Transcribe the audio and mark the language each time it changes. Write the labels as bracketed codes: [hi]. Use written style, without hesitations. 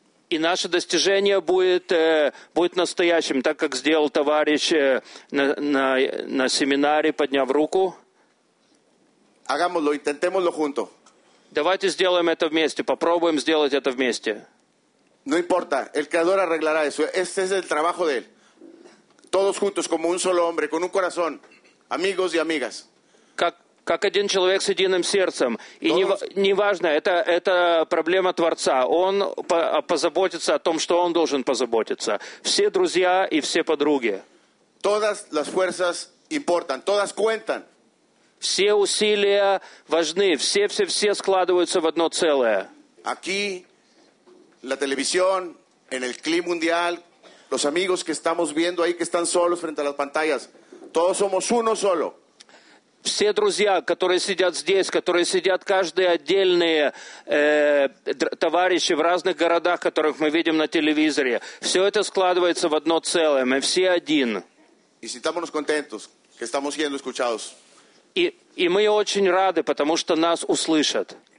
[ru] И наше достижение будет настоящим, так как сделал товарищ на семинаре, подняв руку. [es] Hagámoslo, intentémoslo juntos. [ru] Давайте сделаем это вместе, попробуем сделать это вместе. [es] No importa, el Creador arreglará eso. Este es el trabajo de él. Todos juntos, como un solo hombre, con un corazón, amigos y amigas. [ru] Как один человек с единым сердцем. И неважно, это проблема Творца. Он позаботится о том, что он должен позаботиться. Все друзья и все подруги. [es] Todas las fuerzas importan, todas cuentan. [ru] Все усилия важны, все складываются в одно целое. [es] Aquí, la televisión, en el clima mundial, los amigos que estamos viendo ahí, que están solos frente a las pantallas, todos somos uno solo. [ru] Все друзья, которые сидят здесь, которые сидят каждые отдельные товарищи в разных городах, которых мы видим на телевизоре, все это складывается в одно целое, мы все один. [es] Y sintámonos contentos, que estamos siendo escuchados. [ru] И мы очень рады, потому что нас услышат.